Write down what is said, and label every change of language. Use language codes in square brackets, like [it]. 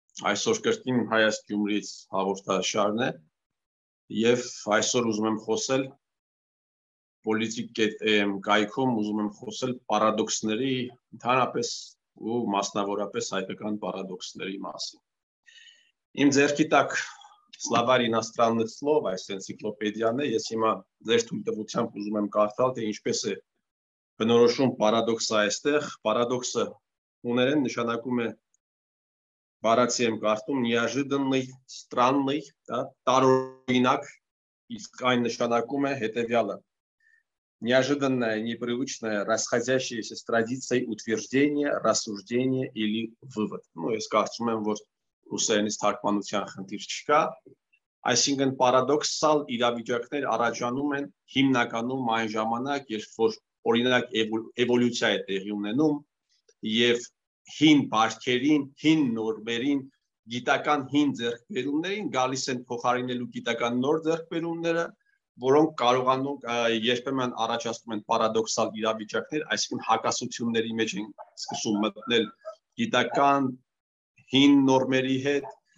[hy] Այսօր կրկին Հայաստ Գյումրից հաղորդաշարն է եւ այսօր ուզում եմ խոսել politik.am կայքում ուզում եմ խոսել պարադոքսների ընդհանրապես ու մասնավորապես հայկական պարադոքսների մասին։ Իմ ձեռքի տակ [ru] Словарь иностранных слов, [hy] այս էնցիկլոպեդիան է, ես հիմա ձեր թույլտվությամբ ուզում եմ կարդալ, թե ինչպես է բնորոշում պարադոքսը այստեղ։ Պարադոքսը հուներեն նշանակում է, բառացի եմ կարդում, [ru] неожиданный, странный, да, [hy] տարօրինակ, իսկ այն նշանակում է հետևյալը. [ru] Неожиданное, непривычное, расходящееся с традицией утверждение, рассуждение или вывод. [hy] Ну, ես կարծում եմ, որ ռուսերենից թարգմանության խնդիր չկա, այսինքն պարադոքսալ իրավիճակներ առաջանում են հիմնականում այն ժամանակ, երբ որ օրինակ էվոլյուցիա է տեղի ունենում եւ հին բարքերին, հին նորմերին, գիտական հին ձեռքբերումներին գալիս են փոխարինելու գիտական նոր ձեռքբերումները, որոնք կարողանում երբեմն առաջացնում են պարադոքսալ իրավիճակներ, այսինքն հակասությունների մեջ են սկսում մտնել գիտական հին նորմերի հետ,